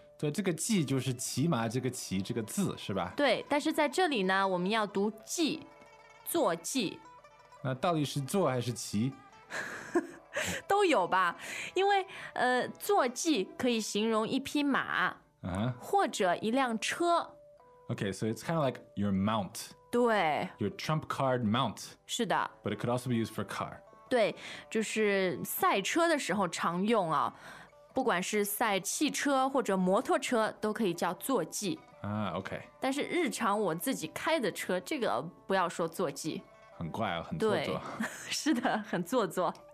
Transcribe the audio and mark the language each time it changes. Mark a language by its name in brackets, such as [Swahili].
[Chinese] 对，这个骑就是骑马，这个骑这个字是吧？对，但是在这里呢，我们要读骑，坐骑。那到底是坐还是骑？都有吧，因为坐骑可以形容一匹马啊，或者一辆车。 [English] Okay, so it's kind of like your mount. [Chinese] 对 [English] ，your trump card mount. [Chinese] 是的 [English] ，but it could also be used for car. [Chinese] 对，就是赛车的时候常用啊，不管是赛汽车或者摩托车都可以叫坐骑。啊 ，OK。但是日常我自己开的车，这个不要说坐骑，很怪啊，很做作。是的，很做作。